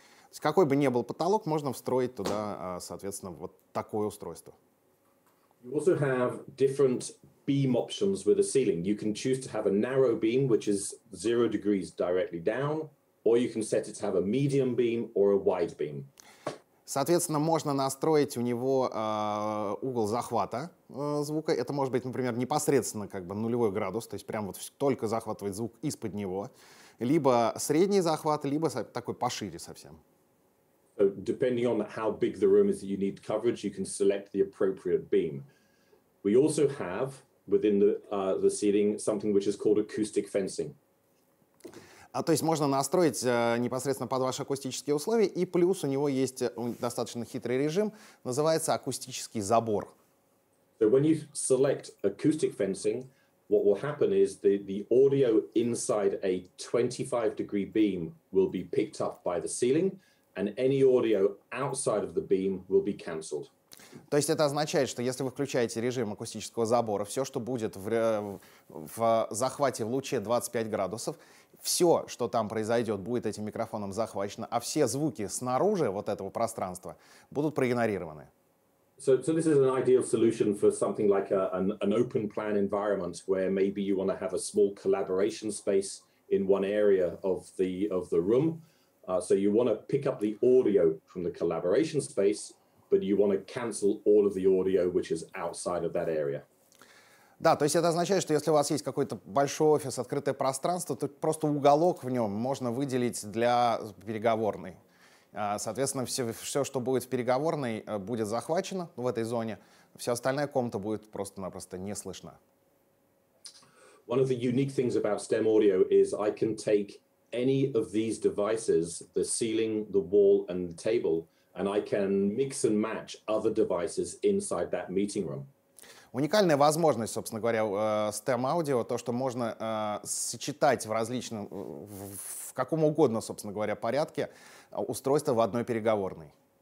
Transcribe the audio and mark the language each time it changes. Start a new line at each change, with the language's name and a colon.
Russian: То есть какой бы ни был потолок, можно встроить туда, соответственно, вот такое устройство.
English: You also have different beam options with a ceiling. You can choose to have a narrow beam, which is 0 degrees directly down, or you can set it to have a medium beam or a wide beam.
Russian: Соответственно, можно настроить у него угол захвата звука. Это может быть, например, непосредственно как бы нулевой градус, то есть прям вот только захватывать звук из-под него, либо средний захват, либо такой пошире совсем.
English: So depending on how big the room is that you need coverage, you can select the appropriate beam. We also have within the ceiling something which is called acoustic fencing.
Russian: То есть можно настроить непосредственно под ваши акустические условия, и плюс у него есть достаточно хитрый режим, называется акустический забор.
English: So when you select acoustic fencing, what will happen is the audio inside a 25-degree beam will be picked up by the ceiling, and any audio outside of the beam will be cancelled.
Russian: То есть это означает, что если вы включаете режим акустического забора, все, что будет в захвате в луче 25 градусов, все, что там произойдет, будет этим микрофоном захвачено, а все звуки снаружи вот этого пространства будут проигнорированы.
English: So this is an ideal solution for something like an open plan environment, where maybe you want to have a small collaboration space in one area of the room. So you want to pick up the audio from the collaboration space, but you want to cancel all of the audio which is outside of that area.
Russian: Да, то есть это означает, что если у вас есть какой-то большой офис, открытое пространство, то просто уголок в нем можно выделить для переговорной. Соответственно, все, что будет в переговорной, будет захвачено в этой зоне, вся остальная комната будет просто-напросто не слышна.
English: One of the unique things about STEM audio is I can take any of these devices, the ceiling, the wall, and the table, and I can mix and match other devices inside that meeting room.
Russian: Уникальная возможность, собственно говоря, STEM Audio, то, что можно сочетать в различном, в каком угодно, собственно говоря, порядке устройства в одной переговорной.